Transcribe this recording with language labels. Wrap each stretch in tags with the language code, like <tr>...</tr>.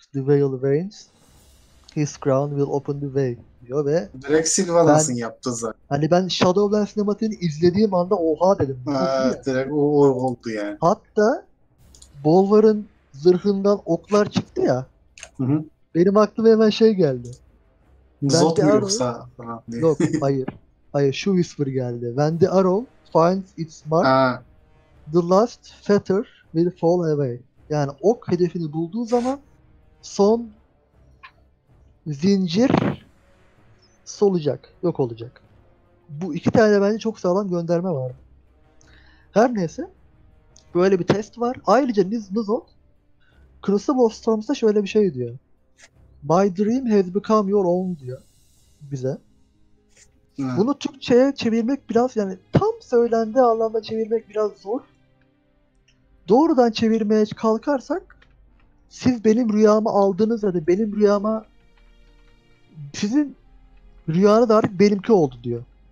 <en>The veil reigns, his crown will open the way</en> <tr>diyor ve... Direkt Sylvanas'ın yaptı zaten. Hani ben Shadowlands sinematiğini izlediğim anda oha dedim. Direkt o oldu yani. Hatta Bolvar'ın zırhından oklar çıktı ya, hı-hı. Benim aklıma hemen şey geldi. Zot mu yoksa? Yok, hayır. Hayır, şu Whisper geldi.</tr> <en>When the arrow finds its mark, the last feather will fall away.</en> <tr>Yani ok hedefini bulduğu zaman son zincir solacak, yok olacak. Bu iki tane bence çok sağlam gönderme var. Her neyse, böyle bir test var. Ayrıca Nuzot, Crucible of Storms'da şöyle bir şey diyor.</tr> <en>My dream has become your own</en> <tr>diyor bize. Hı. Bunu Türkçe'ye çevirmek biraz, yani tam söylendiği anlamda çevirmek biraz zor. Doğrudan çevirmeye kalkarsak, siz benim rüyamı aldınız ya da benim rüyama, sizin rüyanız artık benimki oldu diyor.</tr>